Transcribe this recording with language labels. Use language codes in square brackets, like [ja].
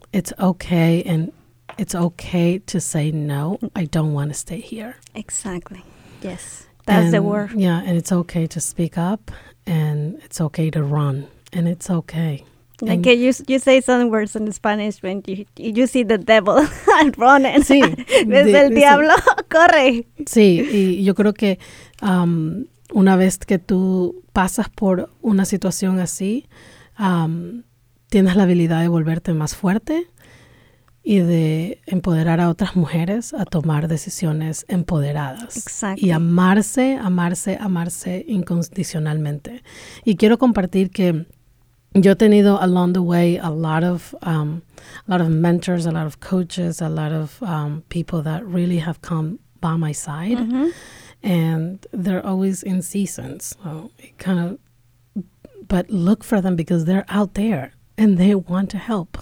[en] It's okay, and it's okay to say no, I don't want to stay here. Exactly. Yes. That's the word. Yeah, and it's okay to speak up, and it's okay to run, and it's okay. Like you say some words in Spanish when you see the devil running. [es] Sí. Ves el diablo, corre. Sí, y yo creo que una vez que tú pasas por una situación así, tienes la habilidad de volverte más fuerte y de empoderar a otras mujeres a tomar decisiones empoderadas. Exacto. Y amarse, amarse, amarse incondicionalmente. Y quiero compartir que yo he tenido [en] along the way a lot of mentors, a lot of coaches, a lot of people that really have come by my side. Mm-hmm. And they're always in seasons. So it kind of, but look for them because they're out there and they want to help.